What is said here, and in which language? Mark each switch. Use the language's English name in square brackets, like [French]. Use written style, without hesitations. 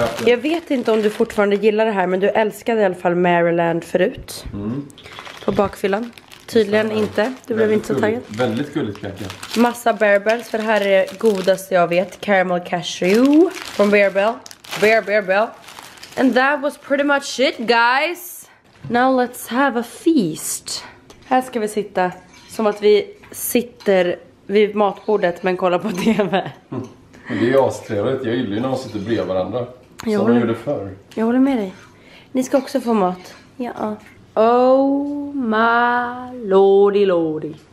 [Swedish] Jag vet inte om du fortfarande gillar det här, men du älskade i alla fall Maryland förut. Mm. På bakfyllan. Tydligen inte. Du blev inte så taggad. Väldigt gulligt kanske. Massa Bear Bells, för det här är det godaste jag vet. Caramel cashew från Bear Bell. Bear Bell. [English] And that was pretty much it, guys. Now let's have a feast. [Swedish] Här ska vi sitta som att vi sitter vid matbordet men kollar på TV. Mm. Det är astrevligt. Jag gillar ju när man sitter bredvid varandra. Som de gjorde förr. Jag håller med dig. Ni ska också få mat. Ja. [English] Oh my lordy lordy.